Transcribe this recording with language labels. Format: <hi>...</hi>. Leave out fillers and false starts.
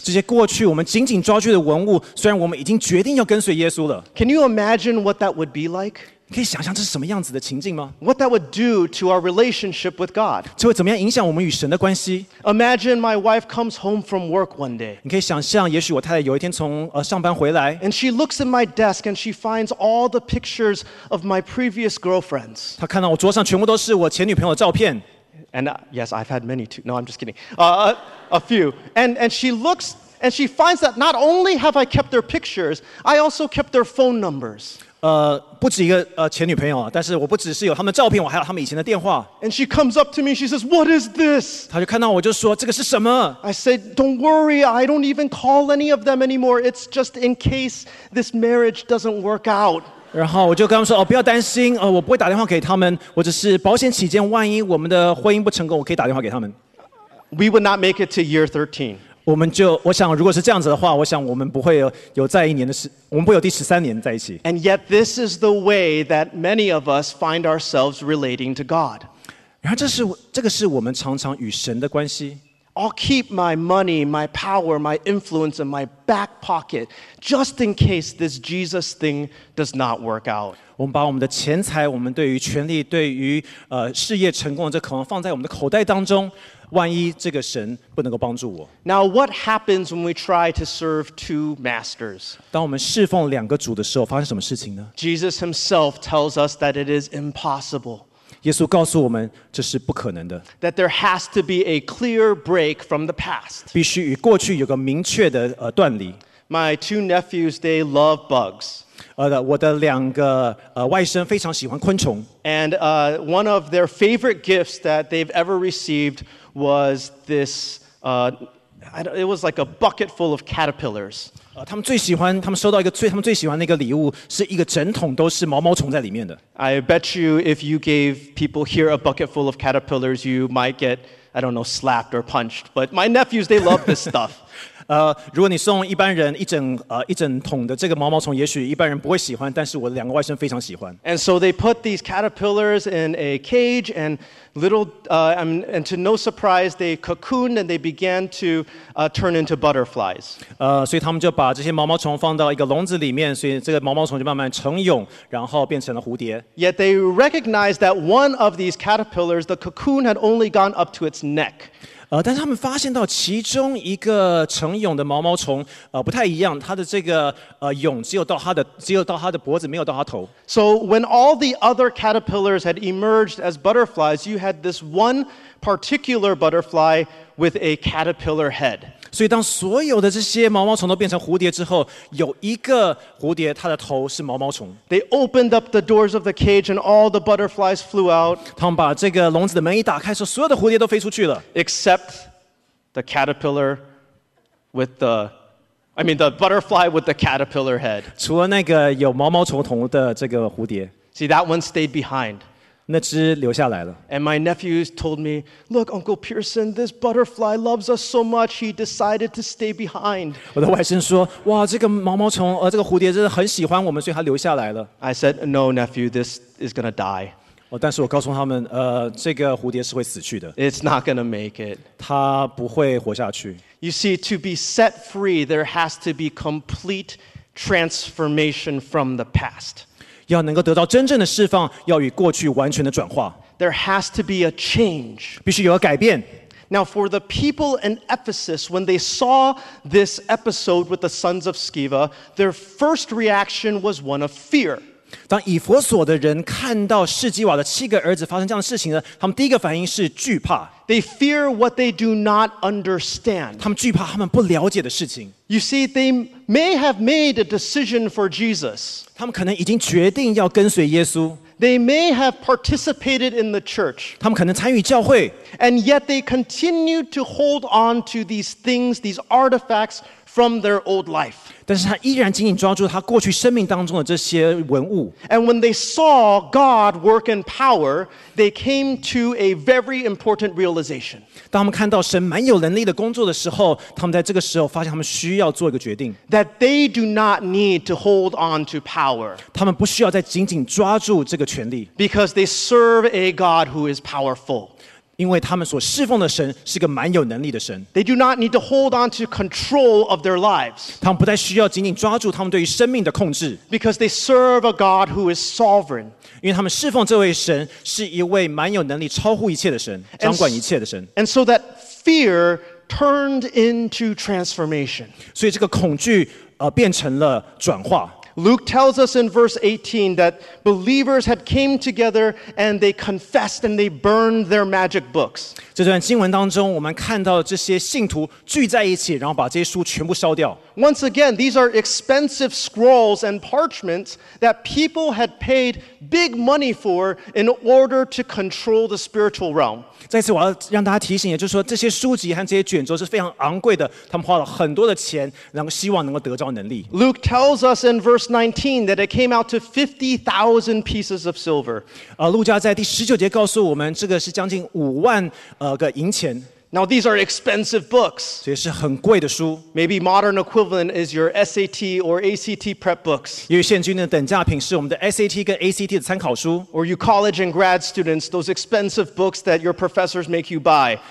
<zh>这些过去我们紧紧抓住的文物，虽然我们已经决定要跟随耶稣了。</zh> <en>Can you imagine what that would be like?</en> <zh>你可以想象这是什么样子的情境吗？</zh> <en>What that would do to our relationship with God.</en> <zh>这会怎么样影响我们与神的关系？</zh> <en>Imagine my wife comes home from work one day.</en> <zh>你可以想象也许我太太有一天从上班回来。</zh> <en>And she looks at my desk and she finds all the pictures of my previous girlfriends.</en> <zh>她看到我桌上全部都是我前女朋友的照片。</zh> <en>And yes, I've had many too. No, I'm just kidding. A few. And she looks and she finds that not only have I kept their pictures, I also kept their phone numbers.</en> <zh>不止一个前女朋友啊，但是我不只是有他们的照片，我还有他们以前的电话。</zh> <en>And she comes up to me, she says, "What is this?"</en> <zh>她就看到我就说这个是什么</zh> <en>？I said, "Don't worry, I don't even call any of them anymore. It's just in case this marriage doesn't work out."</en> <zh>然后我就跟他们说哦，不要担心，我不会打电话给他们，我只是保险起见，万一我们的婚姻不成功，我可以打电话给他们。</zh> <en>We would not make it to year 13.</en> <zh>我们就我想，如果是这样子的话，我想我们不会有再一年的我们不会有第十三年在一起。</zh> <en>And yet, this is the way that many of us find ourselves relating to God.</en> <zh>然后这个是我们常常与神的关系。</zh> <en>I'll keep my money, my power, my influence in my back pocket just in case this Jesus thing does not work out.</en> <zh>我们把我们的钱财、我们对于权力、对于事业成功的这渴望放在我们的口袋当中。万一这个神不能够帮助我。</zh> <en>Now, what happens when we try to serve two masters?</en> <zh>当我们侍奉两个主的时候，发生什么事情呢？</zh> <en>Jesus himself tells us that it is impossible.</en> <zh>耶稣告诉我们这是不可能的。</zh> <en>That there has to be a clear break from the past.</en> <zh>必须与过去有个明确的断离。</zh> <en>My two nephews, they love bugs.</en> <zh>我的两个外甥非常喜欢昆虫。</zh> <en>And one of their favorite gifts that they've ever received. Was this? It was like a bucket full of caterpillars.</en> <zh>他们最喜欢他们收到一个最他们最喜欢那个礼物是一个整桶都是毛毛虫在里面的。</zh> <en>I bet you if you gave people here a bucket full of caterpillars, you might get I don't know slapped or punched. But my nephews, they love this stuff.</en> <zh>如果你送一般人一整桶的这个毛毛虫，也许一般人不会喜欢，但是我的两个外甥非常喜欢。</zh> <en>And so they put these caterpillars in a cage and little, and to no surprise, they cocooned and they began to turn into butterflies.</en> <zh>所以他们就把这些毛毛虫放到一个笼子里面，所以这个毛毛虫就慢慢成蛹，然后变成了蝴蝶。</zh> <en>Yet they recognized that one of these caterpillars, the cocoon had only gone up to its neck.</en> <zh>但是他们发现到其中一个成蛹的毛毛虫不太一样，它的这个蛹只有到它的脖子，没有到它头。</zh> <en>So when all the other caterpillars had emerged as butterflies, you had this one particular butterfly with a caterpillar head.</en> <zh>所以当所有的这些毛毛虫都变成蝴蝶之后，有一个蝴蝶，它的头是毛毛虫。</zh> <en>They opened up the doors of the cage and all the butterflies flew out.</en> <zh>他们把这个笼子的门一打开，说所有的蝴蝶都飞出去了。</zh> <en>Except the caterpillar with the, I mean the butterfly with the caterpillar head.</en> <zh>除了那个有毛毛虫头的这个蝴蝶。</zh> <en>See, that one stayed behind.</en> <zh>那只留下来了。</zh> <en>And my nephews told me, "Look, Uncle Pearson, this butterfly loves us so much, he decided to stay behind."</en> <zh>我的外甥说，哇，这个毛毛虫，这个蝴蝶真的很喜欢我们，所以他留下来了。</zh> <en>I said, "No, nephew, this is gonna die."</en> <zh>但是我告诉他们，这个蝴蝶是会死去的。</zh> <en>It's not gonna make it.</en> <zh>它不会活下去。</zh> <en>You see, to be set free, there has to be complete transformation from the past.</en> <zh>要能够得到真正的释放，要与过去完全的转化。</zh> <en>There has to be a change.</en> <zh>必须有个改变。</zh> <en>Now, for the people in Ephesus, when they saw this episode with the sons of Sceva, their first reaction was one of fear.</en> <zh>当以弗所的人看到士基瓦的七个儿子发生这样的事情呢，他们第一个反应是惧怕。</zh> <en>They fear what they do not understand.</en> <zh>他们惧怕他们不了解的事情。</zh> <en>You see, they may have made a decision for Jesus.</en> <zh>他们可能已经决定要跟随耶稣。</zh> <en>They may have participated in the church.</en> <zh>他们可能参与教会。</zh> <en>And yet they continue to hold on to these things, these artifacts from their old life.</en> <zh>但是他依然紧紧抓住他过去生命当中的这些文物。</zh> <en>And when they saw God work in power, they came to a very important realization.</en> <zh>当他们看到神蛮有能力的工作的时候，他们在这个时候发现他们需要做一个决定。</zh> <en>That they do not need to hold on to power.</en> <zh>他们不需要再紧紧抓住这个权力。</zh> <en>Because they serve a God who is powerful.</en> <zh>因为他们所侍奉的神是个蛮有能力的神。</zh> <en>They do not need to hold on to control of their lives.</en> <zh>他们不再需要紧紧抓住他们对于生命的控制。</zh> <en>Because they serve a God who is sovereign.</en> <zh>因为他们侍奉这位神是一位蛮有能力、超乎一切的神，掌管一切的神。</zh> <en>And so that fear turned into transformation.</en> <zh>所以这个恐惧变成了转化。</zh> <en>Luke tells us in verse 18 that believers had came together and they confessed and they burned their magic books.</en> <zh>这段经文当中，我们看到这些信徒聚在一起，然后把这些书全部烧掉。</zh> <en>Once again, these are expensive scrolls and parchments that people had paid big money for in order to control the spiritual realm.</en> <zh>再次我要让大家提醒，也就是说，这些书籍和这些卷轴是非常昂贵的，他们花了很多的钱，然后希望能够得着能力。</zh> <en>Luke tells us in verse 19 that it came out to 50,000 pieces of silver.</en> <zh>路加在第十九节告诉我们，这个是将近五万个银钱。</zh> <en>Now these are expensive books.</en> <zh>这也是很贵的书。</zh> <en>Maybe modern equivalent is your SAT or ACT prep books.</en> <zh>因为现今的等价品是我们的 SAT 跟 ACT 的参考书。</zh> <en>Or you college and grad students, those expensive books that your professors make you buy.</en>